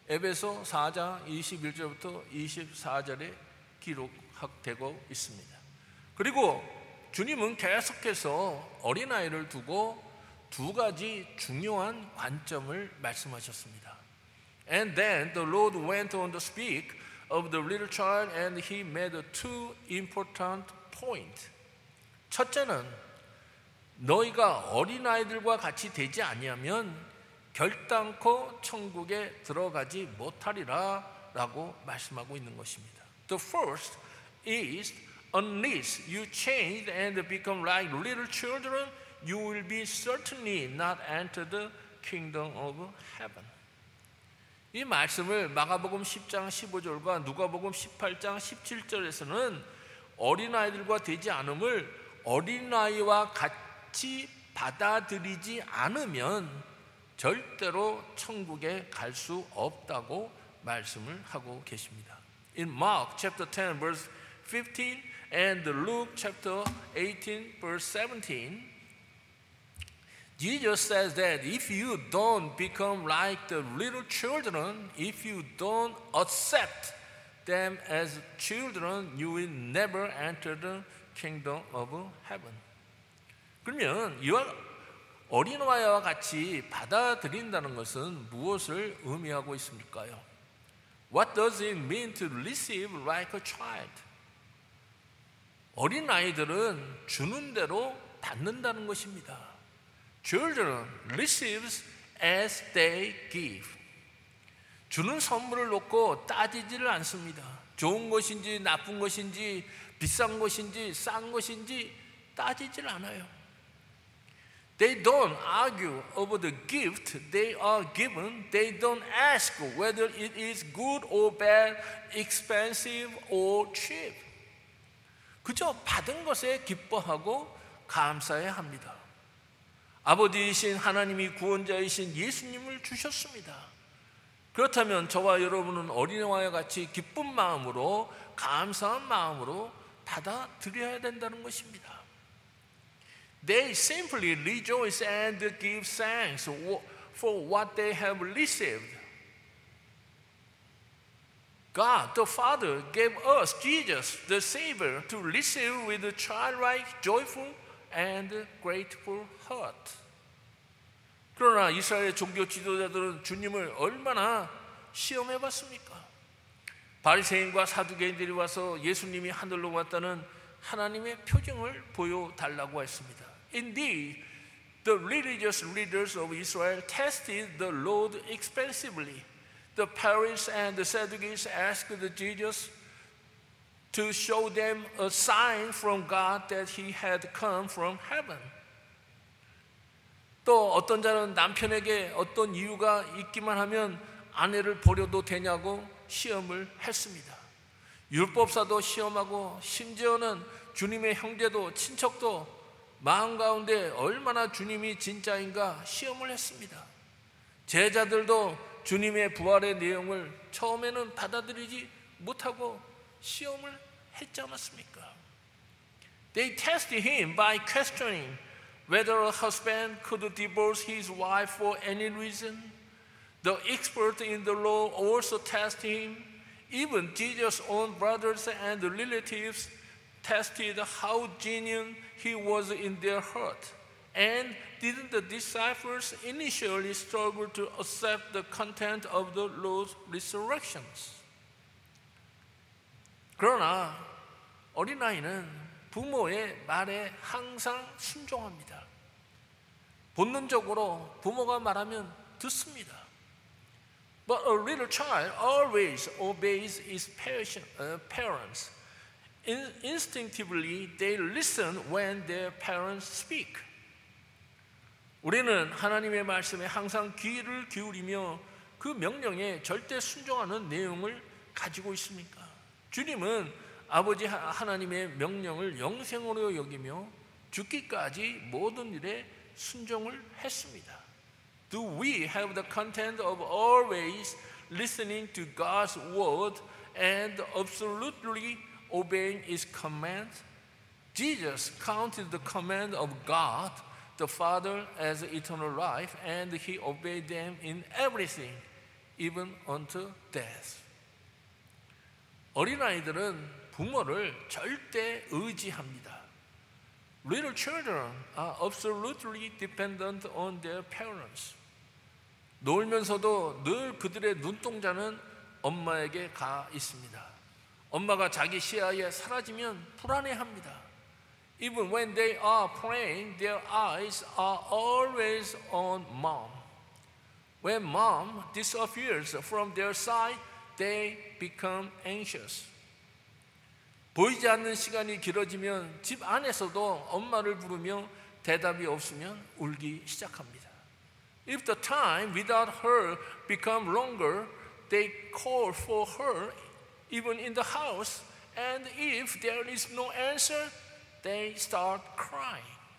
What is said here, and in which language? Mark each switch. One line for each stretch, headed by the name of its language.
Korean: 에베소 4장 21절부터 24절에 기록되고 있습니다. 그리고 주님은 계속해서 어린아이를 두고 두 가지 중요한 관점을 말씀하셨습니다.
English: And then the Lord went on to speak of the little child and he made two important points.
Korean: 첫째는 너희가 어린아이들과 같이 되지 아니하면 결단코 천국에 들어가지 못하리라 라고 말씀하고 있는 것입니다.
English: The first is, unless you change and become like little children, you will be certainly not enter the kingdom of heaven.
Korean: 이 말씀을 마가복음 10장 15절과 누가복음 18장 17절에서는 어린아이들과 되지 않음을 어린아이와 같이 받아들이지 않으면 절대로 천국에 갈 수 없다고 말씀을 하고 계십니다.
English: In Mark chapter 10 verse 15 and Luke chapter 18 verse 17, Jesus says that if you don't become like the little children, if you don't accept them as children, you will never enter the kingdom of heaven.
Korean: 그러면 이와 어린아이와 같이 받아들인다는 것은 무엇을 의미하고 있습니까요?
English: What does it mean to receive like a child?
Korean: 어린아이들은 주는 대로 받는다는 것입니다.
English: Children receives as they give.
Korean: 주는 선물을 놓고 따지지를 않습니다. 좋은 것인지 나쁜 것인지 비싼 것인지 싼 것인지 따지질 않아요.
English: They don't argue over the gift they are given. They don't ask whether it is good or bad, expensive or cheap.
Korean: 그저 받은 것에 기뻐하고 감사해야 합니다. 아버지이신 하나님이 구원자이신 예수님을 주셨습니다. 그렇다면 저와 여러분은 어린아이와 같이 기쁜 마음으로 감사한 마음으로 받아들여야 된다는 것입니다.
English: They simply rejoice and give thanks for what they have received. God the Father gave us Jesus the Savior to receive with a childlike, joyful and grateful heart.
Korean: 그러나 이스라엘 종교 지도자들은 주님을 얼마나 시험해 봤습니까? 바리새인과 사두개인들이 와서 예수님이 하늘로 왔다는 하나님의 표징을 보여달라고 했습니다.
English: Indeed, the religious leaders of Israel tested the Lord expensively. The Pharisees and the Sadducees asked Jesus to show them a sign from God that he had come from heaven.
Korean: 또 어떤 자는 남편에게 어떤 이유가 있기만 하면 아내를 버려도 되냐고 시험을 했습니다. 율법사도 시험하고 심지어는 주님의 형제도 친척도 마음 가운데 얼마나 주님이 진짜인가 시험을 했습니다. 제자들도 주님의 부활의 내용을 처음에는 받아들이지 못하고 시험을 했지 않았습니까?
English: They tested him by questioning whether a husband could divorce his wife for any reason. The expert in the law also tested him. Even Jesus' own brothers and relatives tested how genuine he was in their heart. And didn't the disciples initially struggle to accept the content of the Lord's resurrections?
Korean: 그러나 어린아이는 부모의 말에 항상 순종합니다. 본능적으로 부모가 말하면 듣습니다.
English: But a little child always obeys his parents. Instinctively, they listen when their parents speak.
Korean: 우리는 하나님의 말씀에 항상 귀를 기울이며 그 명령에 절대 순종하는 내용을 가지고 있습니까? 주님은 아버지 하나님의 명령을 영생으로 여기며 죽기까지 모든 일에 순종을 했습니다.
English: Do we have the content of always listening to God's word and absolutely obeying his command? Jesus counted the command of God, the Father, as eternal life, and he obeyed them in everything, even unto death.
Korean: 어린아이들은 부모를 절대 의지합니다.
English: Little children are absolutely dependent on their parents.
Korean: 놀면서도 늘 그들의 눈동자는 엄마에게 가 있습니다. 엄마가 자기 시야에 사라지면 불안해합니다.
English: Even when they are playing, their eyes are always on mom. When mom disappears from their sight, they become anxious.
Korean: 보이지 않는 시간이 길어지면 집 안에서도 엄마를 부르며 대답이 없으면 울기 시작합니다.
English: If the time without her become longer, they call for her even in the house. And if there is no answer, they start crying.